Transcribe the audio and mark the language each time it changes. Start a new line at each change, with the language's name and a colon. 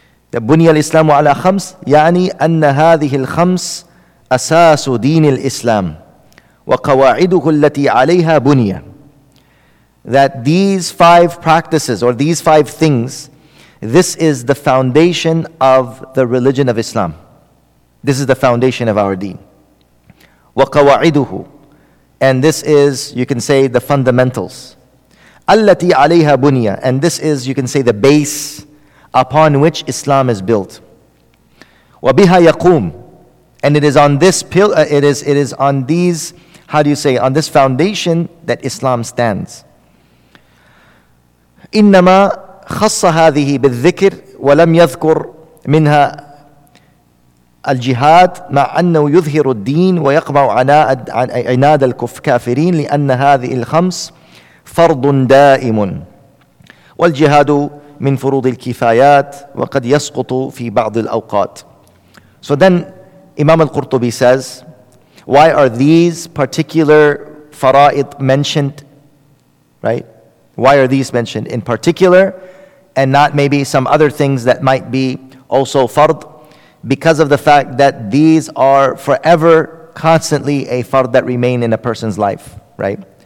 Arabic: The Bunya al-Islamu ala khams, يعني أن هذه الخمس أساس دين الإسلام وقواعده التي عليها بنية.
English: That these five practices or these five things, this is the foundation of the religion of Islam. This is the foundation of our deen. وقواعده. And this is, you can say, the fundamentals.
Arabic: التي عليها بنية.
English: And this is, you can say, the base upon which Islam is built.
Arabic: وبها يقوم.
English: And it is on this pillar, it is on these, how do you say, on this foundation that Islam stands.
Arabic: إنما خص هذه بالذكر ولم يذكر منها الجهاد مع أنه يظهر الدين ويقمع عناد الكافرين لأن هذه الخمس فرض دائم والجهاد من فروض الكفايات وقد يسقط في بعض الأوقات.
English: So then Imam al-Qurtubi says, why are these particular fara'id mentioned, right? Why are these mentioned in particular and not maybe some other things that might be also fard? Because of the fact that these are forever, constantly a fard that remain in a person's life, right?